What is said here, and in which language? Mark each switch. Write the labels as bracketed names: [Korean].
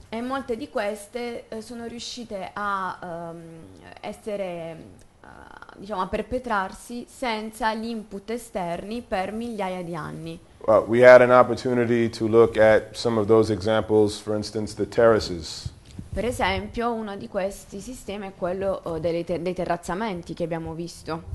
[Italian] E molte di queste sono riuscite a essere diciamo, a perpetrarsi senza gli input esterni per migliaia di anni. [English] Well, we had an opportunity to look at some of those examples, for instance, the terraces. [Italian] Per esempio, uno di questi sistemi è quello dei terrazzamenti che abbiamo visto.